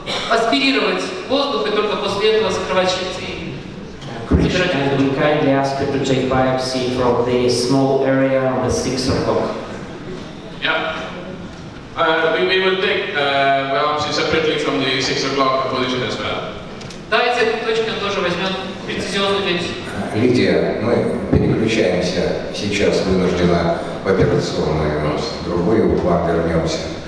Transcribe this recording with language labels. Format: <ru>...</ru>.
<ru>аспирировать воздух и только после этого закрывать щиты.</ru> <en>Krishna, would you kindly ask her to take biopsy from the small area on the 6 o'clock? Yeah. We will take biopsy separately from the 6 o'clock position as well.</en> <ru>Давайте эту точку тоже возьмем прецизионный вид. Лидия, мы переключаемся. Сейчас вынуждена в операционную, в другую, к вам вернемся.</ru>